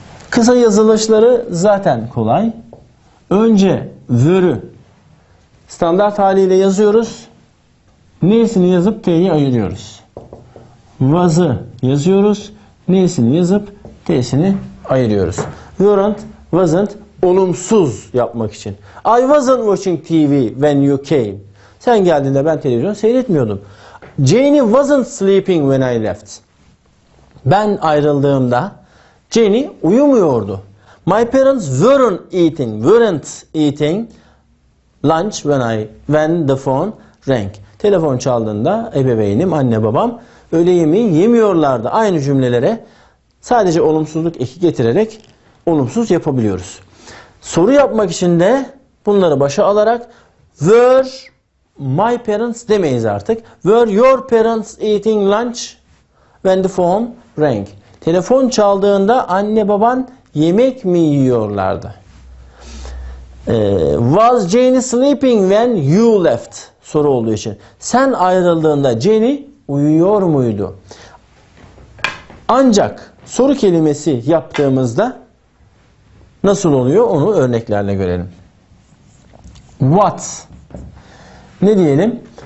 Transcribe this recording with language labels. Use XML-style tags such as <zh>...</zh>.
<tr>Kısa yazılışları zaten kolay. Önce were'ü standart haliyle yazıyoruz. Neyesini yazıp T'yi ayırıyoruz. Was'ı yazıyoruz. Neyesini yazıp T'sini ayırıyoruz. Weren't, wasn't, olumsuz yapmak için.</tr> <en>I wasn't watching TV when you came.</en> <tr>Sen geldiğinde ben televizyon seyretmiyordum.</tr> <en>Jenny wasn't sleeping when I left.</en> <tr>Ben ayrıldığımda Jenny uyumuyordu.</tr> <en>My parents weren't eating lunch when the phone rang.</en> <tr>Telefon çaldığında ebeveynim, anne babam öğle yemeği yemiyorlardı. Aynı cümlelere sadece olumsuzluk eki getirerek olumsuz yapabiliyoruz. Soru yapmak için de bunları başa alarak</tr> <en>were my parents</en> <tr>demeyiz artık.</tr> <en>Were your parents eating lunch when the phone rang?</en> <tr>Telefon çaldığında anne baban yemek mi yiyorlardı?</tr> <en>Was Jenny sleeping when you left?</en> <tr>Soru olduğu için. Sen ayrıldığında Jenny uyuyor muydu? Ancak soru kelimesi yaptığımızda nasıl oluyor onu örneklerle görelim. What? Ne diyelim?</tr>